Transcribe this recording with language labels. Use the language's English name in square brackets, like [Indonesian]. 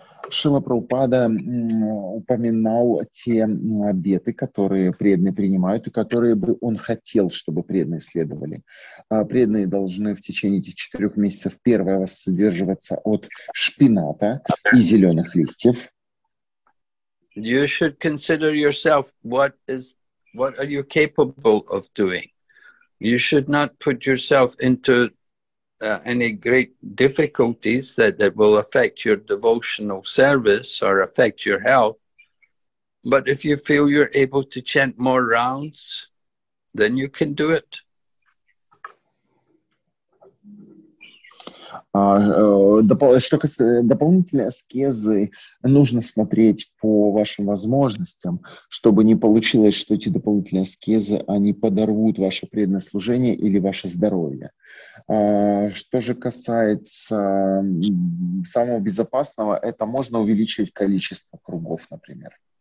[Russian] Шрила Прабхупада упоминал те обеты, которые преданные принимают, и которые бы он хотел, чтобы преданные следовали. Преданные должны в течение этих 4 месяцев первое воздерживаться от шпината и зеленых листьев. [English] You should consider yourself what are you capable of doing? You should not put yourself into any great difficulties that will affect your devotional service or affect your health. But if you feel you're able to chant more rounds, then you can do it. [Russian] Что касается дополнительные аскезы, нужно смотреть по вашим возможностям, чтобы не получилось, что эти дополнительные аскезы, они подорвут ваше преданное служение или ваше здоровье. Что же касается самого безопасного, это можно увеличивать количество кругов, например.